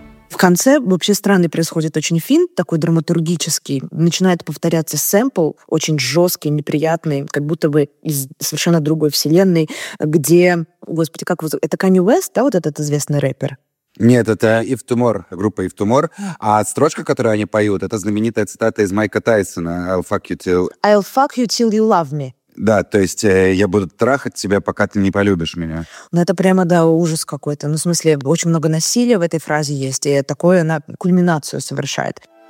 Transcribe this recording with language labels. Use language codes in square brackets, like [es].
[ru] В конце вообще странный происходит очень финт, такой драматургический. Начинает повторяться сэмпл, очень жесткий, неприятный, как будто бы из совершенно другой вселенной, где, господи, как его зовут? Это Kanye West, да, вот этот известный рэпер? Нет, это Eve Tumor, группа Eve Tumor. А строчка, которую они поют, это знаменитая цитата из Майка Тайсона [en] «I'll fuck you till...» «I'll fuck you till you love me». [ru] Да, то есть я буду трахать тебя, пока ты не полюбишь меня. Ну, это прямо, да, ужас какой-то. Ну, в смысле, очень много насилия в этой фразе есть, и такое она кульминацию совершает.